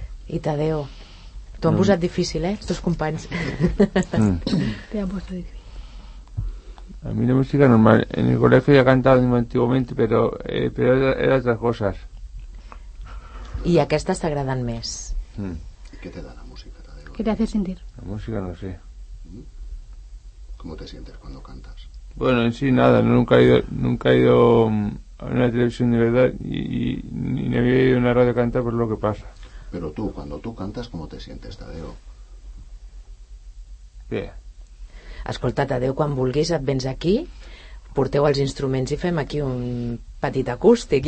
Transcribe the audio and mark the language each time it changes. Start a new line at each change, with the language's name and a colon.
Catalan: I Tadeu, t'ho han posat difícil, eh? Els teus companys.
Spanish: Te han
Catalan: posat difícil.
Spanish: A mí la música normal. En el colegio ya he cantado antiguamente, pero era otras cosas. ¿Y a qué estás agradando más? ¿Qué te da la música, Tadeo? ¿Qué te hace sentir? La música no sé. ¿Cómo te sientes cuando cantas? Bueno, en sí nada. Nunca he ido a una televisión de verdad y ni había ido a una radio a cantar por lo que pasa. Pero tú, cuando tú cantas, ¿cómo te sientes, Tadeo? Bien.
Catalan: Escolta, Tadeu, quan vulguis et vens aquí, porteu els instruments i fem aquí un petit acústic.